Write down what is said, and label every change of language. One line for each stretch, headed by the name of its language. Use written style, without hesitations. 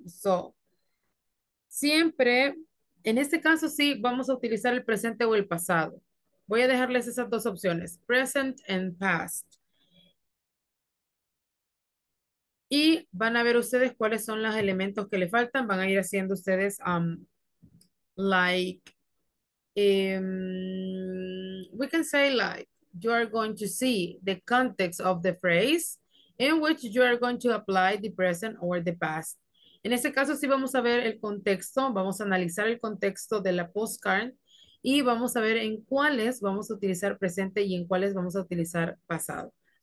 Spanish: So, siempre, en este caso sí, vamos a utilizar el presente o el pasado. Voy a dejarles esas dos opciones,
English: present and past.
Spanish: Y van a ver ustedes cuáles son los elementos que le faltan. Van a ir haciendo ustedes,
English: like, we can say like, you are going to see the context of the phrase in which you are going to apply the present or the past.
Spanish: En este caso, sí vamos a ver el contexto, vamos a analizar el contexto de la postcard y vamos a ver en cuáles vamos a utilizar presente y en cuáles vamos a utilizar pasado.